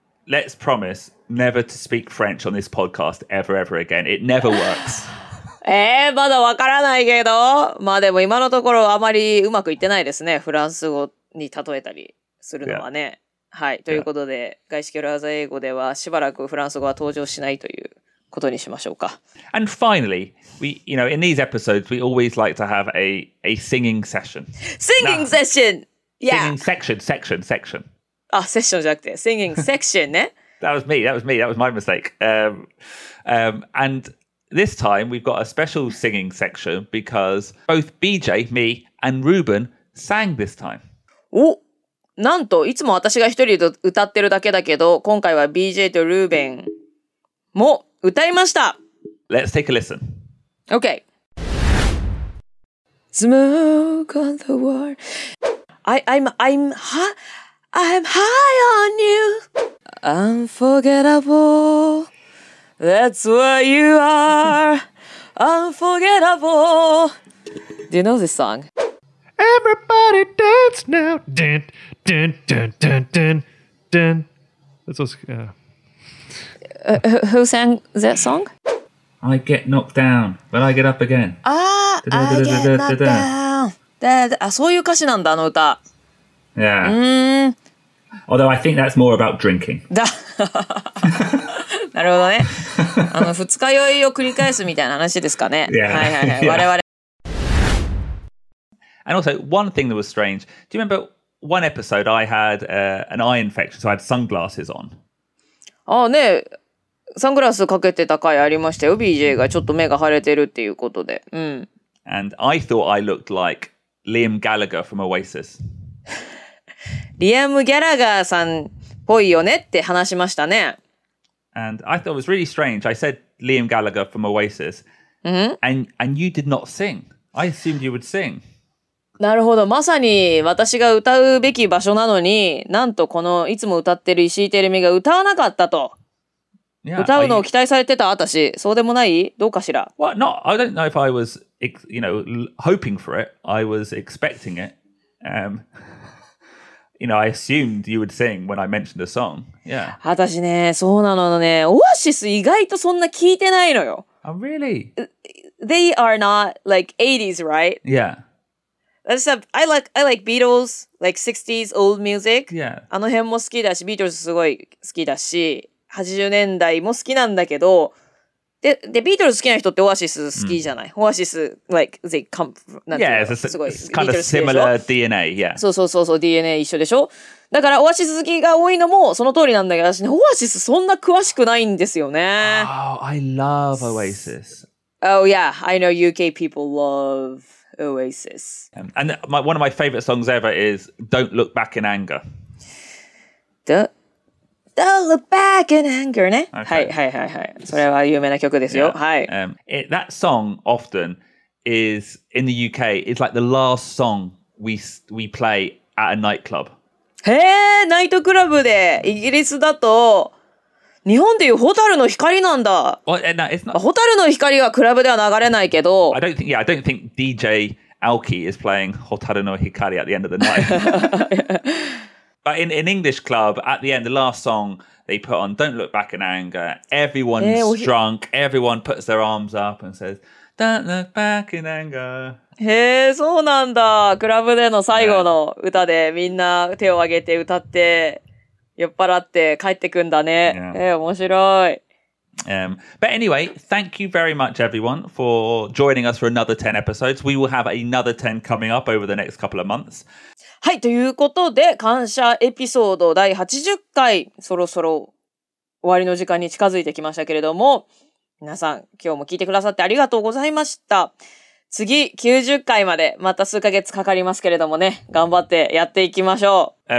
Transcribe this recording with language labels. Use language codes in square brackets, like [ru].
[en] Let's promise never to speak French on this podcast ever, ever again. It never works. [ja] まだわからないけど、まあでも今のところあまりうまくいってないですね。フランス語に例えたりするのはね。 [en] Yeah. [ja] はい。ということで、yeah. 外資系ラーザ英語ではしばらくフランス語は登場しないという。ことにしましょうか。 [en] And finally, we, you know, in these episodes, we always like to have a singing session. Singing now, session! Yeah! Singing section, section, section. [ja] あ、セッションじゃなくて、singing section ね。 [en] That was me, that was me, that was my mistake. And this time, we've got a special singing section because both BJ, me, and Ruben sang this time. [ja] お、なんと、いつも私が一人で歌ってるだけだけど、今回は BJ と Ruben も歌いました。 [en] Let's take a listen. Okay. Smoke on the wall. I'm high on you. Unforgettable. That's where you are. Unforgettable. Do you know this song? Everybody dance now. Dun, dun, dun, dun, dun, dun. That's also, Who sang that song? I get knocked down, but I get up again. Ah, I get knocked down. [ja] Ah, そういう歌詞なんだ、あの歌。 [en] Yeah. Although I think that's more about drinking. [ja] なるほどね。あの、二日酔いを繰り返すみたいな話ですかね。 Yeah. はいはいはい。 [en] And also, one thing that was strange. Do you remember one episode I had an eye infection, so I had sunglasses on? [ja] Ah, ne. サングラスかけてた回ありましたよ。BJ がちょっと目が腫れてるっていうことで、うん。 [en] And I thought I looked like Liam Gallagher from Oasis. [ja] Liam Gallagher さんっぽいよねって話しましたね。 [en] And I thought it was really strange. I said Liam Gallagher from Oasis. And you did not sing. I assumed you would sing. [ja] なるほど。まさに私が歌うべき場所なのに、なんとこのいつも歌ってる石井テレミが歌わなかったと。 [en] Yeah, [ja] 歌うのを期待されてた私、そうでもない？どうかしら。 [en] Well, not. I don't know if I was, you know, hoping for it. I was expecting it. You know, I assumed you would sing when I mentioned the song. Yeah. [ja] 私ね、そうなのね。オアシス意外とそんな聞いてないのよ。 [en] Oh, really? They are not like 80s, right? Yeah. That's a, I like Beatles, like 60s old music. Yeah. [ja] あの辺も好きだし、Beatles すごい好きだし。80年代も好きなんだけど、で、ビートルズ好きな人ってオアシス好きじゃない、mm. オアシス、 [en] like, they come from, [ja] なんていうの、 [en] yeah, it's a, すごい、it's kind of similar DNA, yeah. [ja] そうそうそうそう、DNA 一緒でしょ。だから、オアシス好きが多いのもその通りなんだけど、私ね、オアシスそんな詳しくないんですよね。 [en] Oh, I love Oasis. Oh, yeah, I know UK people love Oasis. And my, one of my favorite songs ever is Don't Look Back in Anger. Don't look back in anger, ne? Okay. [ja] はいはいはい。それは有名な曲ですよ。 [en] Yeah. [ja] はい。 [en] That song often is in the UK, it's like the last song we play at a nightclub. [ja] へぇ、ナイトクラブで、イギリスだと、日本でいうホタルの光なんだ。 [en] Well, no, it's not... [ja] ホタルの光はクラブでは流れないけど。 [en] I don't think, yeah, I don't think DJ Aoki is playing Hotaru no Hikari at the end of the night. But in English club, at the end, the last song they put on, Don't Look Back in Anger, everyone's drunk, everyone puts their arms up and says, Don't Look Back in Anger. [ja] へー、そうなんだ。クラブでの最後の歌でみんな手を挙げて歌って酔っ払って帰ってくんだね。へー、面白い。 [en] But anyway, thank you very much, everyone, for joining us for another 10 episodes. We will have another 10 coming up over the next couple of months. [ja] はい、ということで、感謝エピソード第80回、そろそろ終わりの時間に近づいてきましたけれども、皆さん、今日も聞いてくださってありがとうございました。次、90回まで、また数ヶ月かかりますけれどもね、頑張ってやっていきましょう。